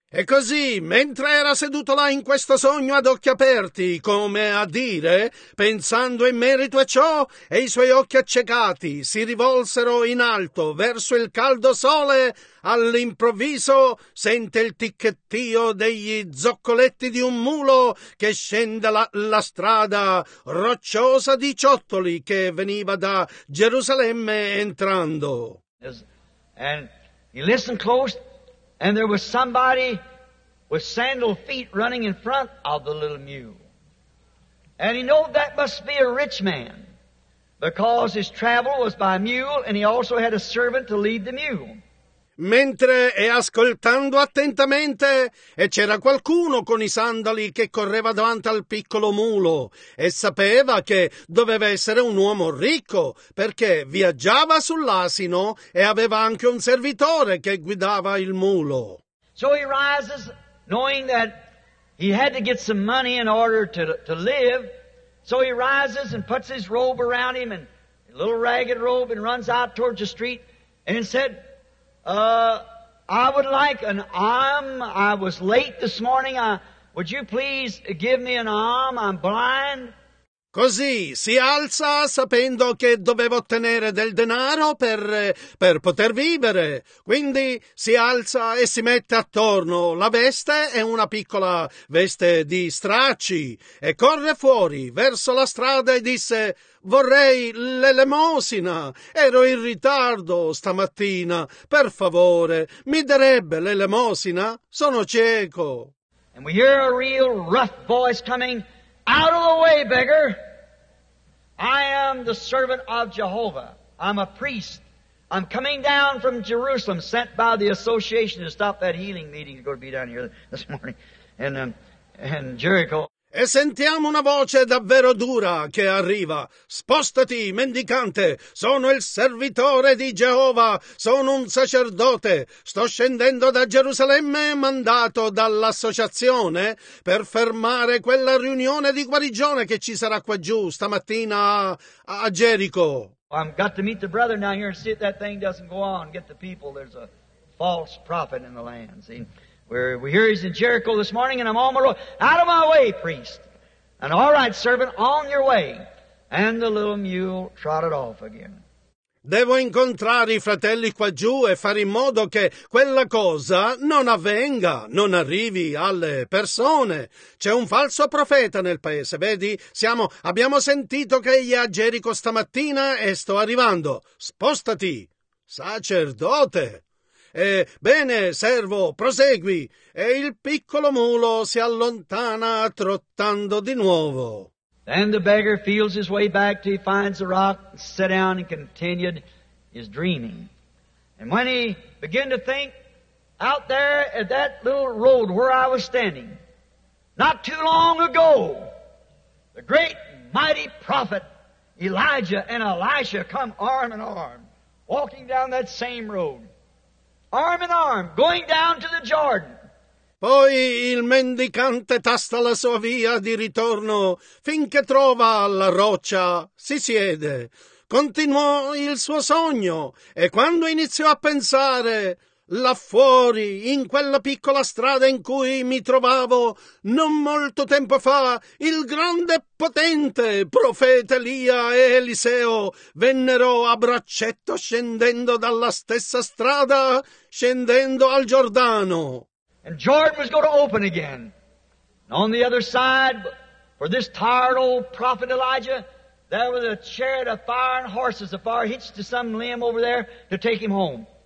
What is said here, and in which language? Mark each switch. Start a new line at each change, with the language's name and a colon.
Italian: E così, mentre era seduto là in questo sogno ad occhi aperti, come a dire, pensando in merito a ciò, e i suoi occhi accecati si rivolsero in alto verso il caldo sole, all'improvviso sente il ticchettio degli zoccoletti di un mulo che scende la strada rocciosa di ciottoli che veniva da Gerusalemme entrando.
English: And he listened close. And there was somebody with sandal feet running in front of the little mule. And he knew that must be a rich man, because his travel was by mule, and he also had a servant to lead the mule.
Italian: Mentre e ascoltando attentamente, e c'era qualcuno con i sandali che correva davanti al piccolo mulo, e sapeva che doveva essere un uomo ricco, perché viaggiava sull'asino e aveva anche un servitore che guidava il mulo.
English: So he rises, knowing that he had to get some money in order to live, so he rises and puts his robe around him, and a little ragged robe, and runs out towards the street, and said, I would like an arm. I was late this morning. Would you please give me an arm? I'm blind.
Italian: Così si alza sapendo che doveva ottenere del denaro per poter vivere. Quindi si alza e si mette attorno la veste, è una piccola veste di stracci, e corre fuori verso la strada e disse: «Vorrei l'elemosina, ero in ritardo stamattina, per favore, mi darebbe l'elemosina? Sono cieco!»
English: And we hear a real rough voice coming, "Out of the way, beggar! I am the servant of Jehovah. I'm a priest. I'm coming down from Jerusalem, sent by the association to stop that healing meeting that's going to be down here this morning in Jericho."
Italian: E sentiamo una voce davvero dura che arriva: "Spostati, mendicante, sono il servitore di Geova, sono un sacerdote, sto scendendo da Gerusalemme mandato dall'associazione per fermare quella riunione di guarigione che ci sarà qua giù stamattina a Gerico."
English: I've got to meet the brother now here and see if that thing doesn't go on, get the people, there's a false prophet in the land, see? We hear he's in Jericho this morning, and I'm on my road. "Out of my way, priest. And all right, servant, on your way." And the little mule trotted off again.
Italian: Devo incontrare i fratelli qua giù e fare in modo che quella cosa non avvenga, non arrivi alle persone. C'è un falso profeta nel paese, vedi? Abbiamo sentito che egli è a Gerico stamattina e sto arrivando. Spostati, sacerdote! Bene, servo, prosegui. E il piccolo mulo si allontana trottando di nuovo.
English: Then the beggar feels his way back till he finds the rock, sat down and continued his dreaming. And when he began to think, out there at that little road where I was standing, not too long ago, the great mighty prophet Elijah and Elisha come arm in arm, walking down that same road. Arm in arm, going down to the Jordan.
Italian: Poi il mendicante tasta la sua via di ritorno finché trova la roccia, si siede. Continuò il suo sogno e quando iniziò a pensare, là fuori, in quella piccola strada in cui mi trovavo non molto tempo fa, il grande potente profeta Elia e Eliseo vennero a braccetto scendendo dalla stessa strada, scendendo al Giordano.
English: And Jordan was going to open again. And on the other side, for this tired old prophet Elijah, there was a chariot of fire and horses afar hitched to some limb over there to take him home.